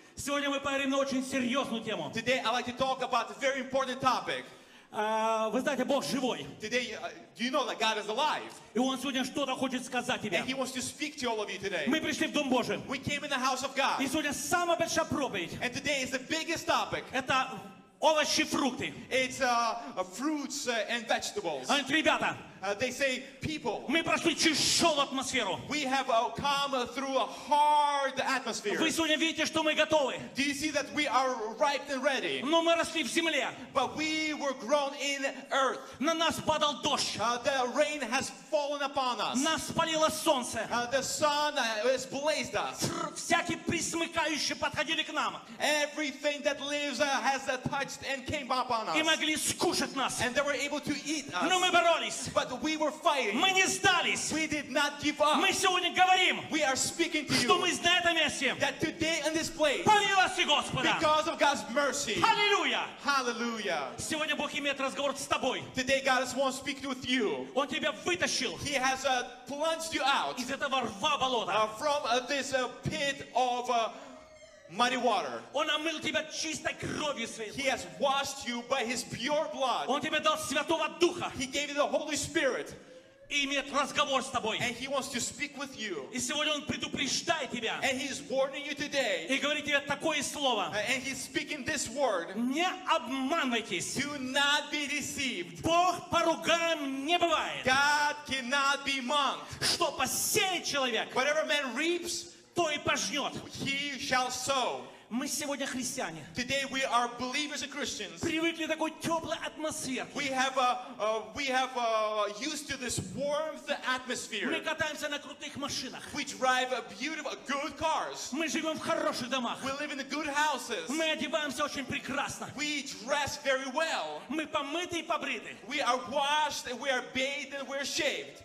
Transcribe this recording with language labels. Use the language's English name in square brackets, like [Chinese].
[Russian] Сегодня мы поговорим на очень серьезную тему. [English] Today I'd like to talk about a very important topic. [Russian] Вы знаете, Бог живой. [English] Today, do you know that God is alive? [Russian] И Он сегодня что-то хочет сказать тебе. [English] And He wants to speak to all of you today. [Russian] Мы пришли в Дом Божий. [English] We came in the house of God. [Russian] И сегодня самая большая проповедь. [English] And today is the biggest topic. [Russian] Это овощи, фрукты. [English] It's fruits and vegetables. [Russian] Они говорят, ребята. [English] They say, people. [Russian] Мы прошли тяжелую атмосферу. [English] We have come through a hard atmosphere. [Russian] Вы сегодня видите, что мы готовы. [English] Do you see that we are ripe and ready? [Russian] Но мы росли в земле. [English] But we were grown in earth. [Russian] На нас падал дождь. [English] The rain has fallen upon us. [Russian] Нас палило солнце. [English] The sun has blazed us. [Russian] Всякие присмыкающие подходили к нам. [English] Everything that lives has touched and came upon us. [Russian] И могли скушать нас. [English] And they were able to eat us. [Russian] Но мы боролись. [English] But we were fighting. [Russian] Мы не сдались. [English] We did not give up. [Russian] Мы сегодня говорим, [English] we are speaking to [Russian] что [English] you, [Russian] мы на этом месте, [English] that today in this place, [Russian] по милости Господа, [English] because of God's mercy, [Russian] hallelujah, [English] hallelujah. [Russian] Сегодня Бог имеет разговор с тобой. [English] Today God wants to speak with you. [Russian] Он тебя вытащил. [English] He has plunged you out [Russian] из этого рва болота. [English] From this pit of muddy water. [Russian] Он омыл тебя чистой кровью своей. [English] He has washed you by his pure blood. [Russian] Он тебе дал Святого Духа. [English] He gave you the Holy Spirit. [Russian] И имеет разговор с тобой. [English] And he wants to speak with you. [Russian] И сегодня он предупреждает тебя. [English] And he's warning you today. [Russian] И говорит тебе такое слово. [English] And he's speaking this word. [Russian] Не обманывайтесь. [English] Do not be deceived. [Russian] Бог по рукам не бывает. [English] God cannot be mocked. [Russian] Что посеет человек? [English] Whatever man reaps, [Russian] то и пожнет. [English] He shall sow. [Russian] Мы сегодня христиане. [English] Today we are believers and Christians. [Russian] Привыкли к такой теплой атмосфере. [English] We have used to this warmth atmosphere. [Russian] Мы катаемся на крутых машинах. [English] We drive beautiful good cars. [Russian] Мы живем в хороших домах. [English] We live in good houses. [Russian] Мы одеваемся очень прекрасно. [English] We dress very well. [Russian] Мы помыты и побриты. [English] We are washed, we are bathed, and we are shaved.